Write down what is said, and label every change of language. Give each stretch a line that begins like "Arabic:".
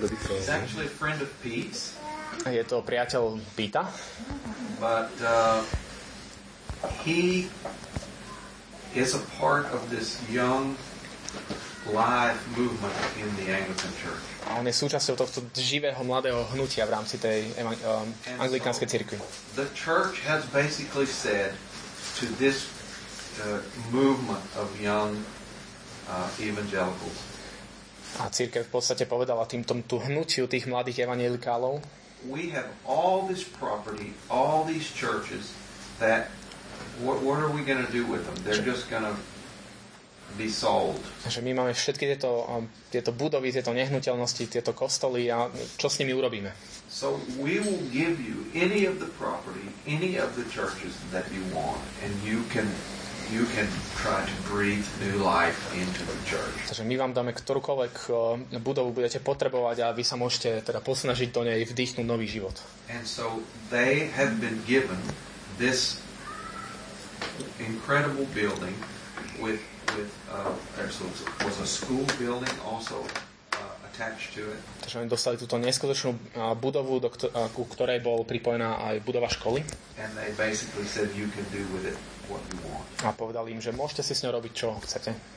English: He's actually a friend of Pete's.
Slovak: Je to priateľ Pita.
English: But he is a part of this young live movement in the Anglican Church.
Slovak: A on je súčasťou tohto živého mladého hnutia v rámci tej anglikánskej cirkvi.
English: The church has basically said to this movement of young evangelicals.
Slovak: A cirkev v podstate povedala týmto tú hnutiu tých mladých evangelikálov.
English: We have all this property, all these churches that what are we going to do with them? They're just going to be sold.
Slovak: Že my máme všetky tieto budovy, tieto nehnuteľnosti, tieto kostoly a čo s nimi urobíme?
English: So we will give you any of the property, any of the churches that you want, and you can try to breathe new life into the church.
Slovak: Takže my vám dáme ktorúkoľvek budovu budete potrebovať a vy sa môžete teda posnažiť do nej vdýchnuť nový život.
English: And so they have been given this incredible building was a school building also attached to it.
Slovak: Takže oni dostali túto neskutočnú budovu, ku ktorej bol pripojená aj budova školy.
English: And they basically said you can do with it.
Slovak: A povedal im, že môžete si s ňou robiť, čo chcete.